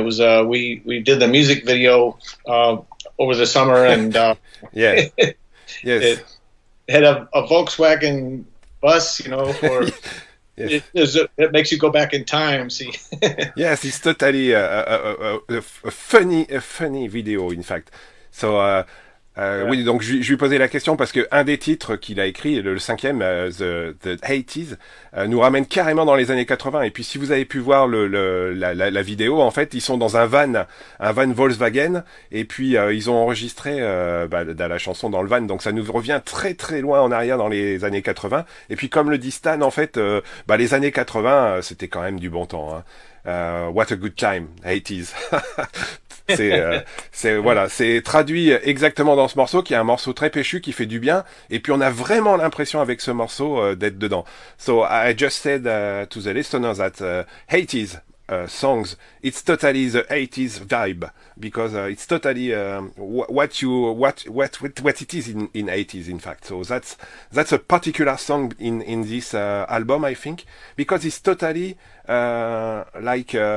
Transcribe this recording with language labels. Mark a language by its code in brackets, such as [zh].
[en] It was we did the music video over the summer, and yeah, yes, it had a Volkswagen bus, you know, for. Yes. It makes you go back in time, see? Yes, it's totally a funny video, in fact. So, yeah. [fr] Oui, donc je lui posais la question parce que un des titres qu'il a écrit, le cinquième, The 80s, nous ramène carrément dans les années 80. Et puis si vous avez pu voir la vidéo, en fait, ils sont dans un van Volkswagen, et puis ils ont enregistré la chanson dans le van. Donc ça nous revient très très loin en arrière dans les années 80. Et puis comme le dit Stan, en fait, les années 80, c'était quand même du bon temps. Hein. [en] What a good time, 80s. [fr] C'est traduit exactement dans ce morceau, qui est un morceau très péchu, qui fait du bien, et puis on a vraiment l'impression avec ce morceau d'être dedans. [en] So I just said to the listeners that 80s songs, it's totally the 80s vibe, because it's totally what it is in 80s, in fact. So that's a particular song in this album, I think, because it's totally like